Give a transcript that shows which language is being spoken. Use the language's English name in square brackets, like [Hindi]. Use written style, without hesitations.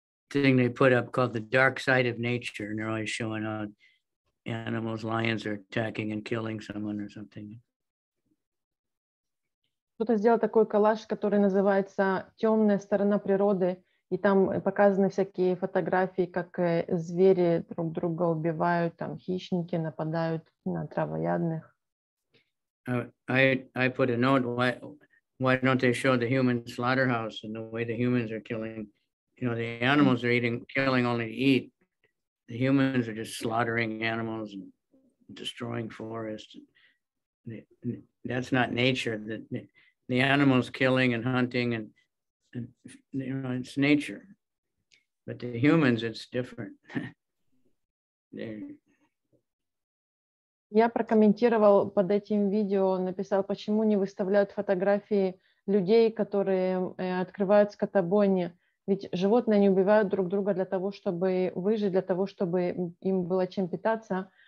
[English] Thing they put up called the dark side of nature, and they're always showing how animals, lions are attacking and killing someone or something. [Russian] Кто-то сделал такой коллаж, который называется «Темная сторона природы», и там показаны всякие фотографии, как звери друг друга убивают, там хищники нападают на травоядных. [English] I put a note. Why don't they show the human slaughterhouse and the way the humans are killing? You know, the animals are eating, killing only to eat. The humans are just slaughtering animals and destroying forests. That's not nature. The animals killing and hunting and you know, it's nature. But the humans, it's different. [Russian] Я прокомментировал под этим видео, написал, почему не выставляют фотографии людей, которые открывают скотобойни. Ведь животные не убивают друг друга для того, чтобы выжить, для того, чтобы им было чем питаться.